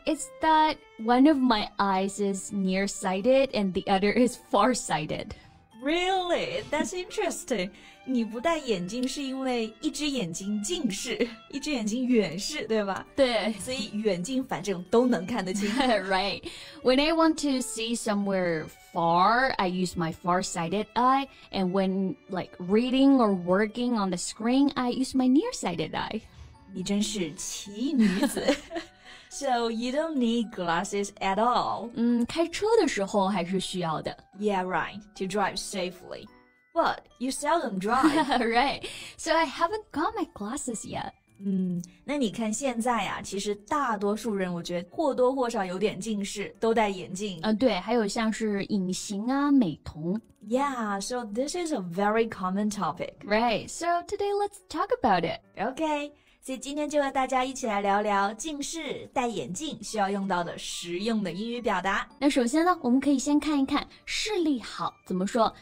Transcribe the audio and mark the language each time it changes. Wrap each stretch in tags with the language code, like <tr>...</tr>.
<en>It's that one of my eyes is nearsighted and the other is farsighted. Really? That's interesting.</en> <zh>你不戴眼镜是因为一只眼睛近视，一只眼睛远视，对吧？对。所以远近反正都能看得清。</zh> <en>Right. When I want to see somewhere far, I use my far-sighted eye. And when, like, reading or working on the screen, I use my near-sighted eye.</en> <zh>你真是奇女子。</zh> <en>So you don't need glasses at all.</en> <zh>开车的时候还是需要的。</zh> <en>Yeah, right, to drive safely. But you seldom drive. Right, so I haven't got my glasses yet.</en> <zh>那你看现在啊，其实大多数人我觉得或多或少有点近视，都戴眼镜。对，还有像是隐形啊，美瞳。</zh> <en>Yeah, so this is a very common topic. Right, so today let's talk about it. Okay.</en> <zh>所以今天就和大家一起来聊聊近视戴眼镜需要用到的实用的英语表达。那首先呢，我们可以先看一看视力好怎么说。</zh>